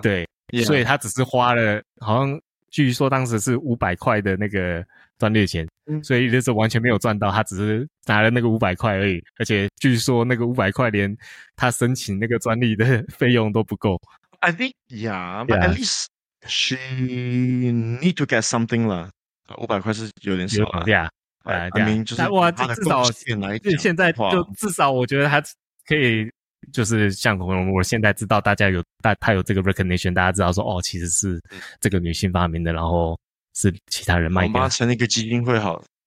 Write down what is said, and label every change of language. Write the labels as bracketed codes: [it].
[zh] 对、所以他只是花了好像据说当时是500块的那个专利钱、嗯、所以那时候完全没有赚到，他只是拿了那个500块而已，而且据说那个500块连他申请那个专利的费用都不够。 [en] I think yeah but yeah. at least she need to get something 了， [zh] 500块是有点少了、啊、yeah 对啊，就是哇，至少现在就至少我觉得他可以，就是像我现在知道大家有他有这个 recognition， 大家知道说哦，其实是这个女性发明的，然后是其他人卖给我妈成立一个基金会好了。